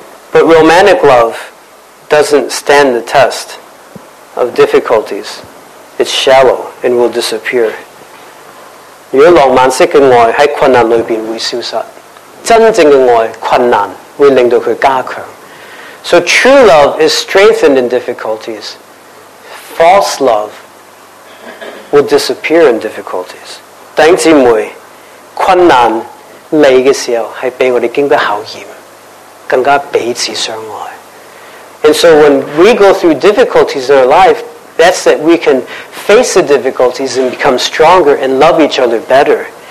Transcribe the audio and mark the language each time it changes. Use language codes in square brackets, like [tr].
[en] But romantic love doesn't stand the test of difficulties. It's shallow and will disappear. [yue] 如果浪漫式嘅爱喺困难里边会消失，真正嘅爱困难会令到佢加强。 [en] So true love is strengthened in difficulties. False love will disappear in difficulties. [yue] 弟兄姊妹，困难 来的时候，系俾我哋经得考验，更加彼此相爱。 [en] And so when we go through difficulties in our life, that's that we can face the difficulties and become stronger and love each other better.